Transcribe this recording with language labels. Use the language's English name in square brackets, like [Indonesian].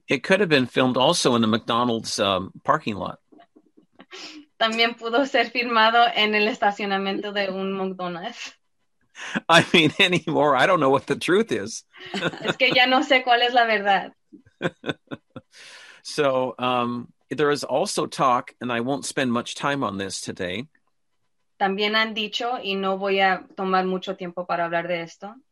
[English] It could have been filmed also in the McDonald's parking lot. [Spanish] También pudo ser filmado en el estacionamiento de un McDonald's. [English] I mean, anymore, I don't know what the truth is. [Spanish] Es que ya no sé cuál es la verdad. [English] So, there is also talk, and I won't spend much time on this today. [Spanish] También han dicho, y no voy a tomar mucho tiempo para hablar de esto,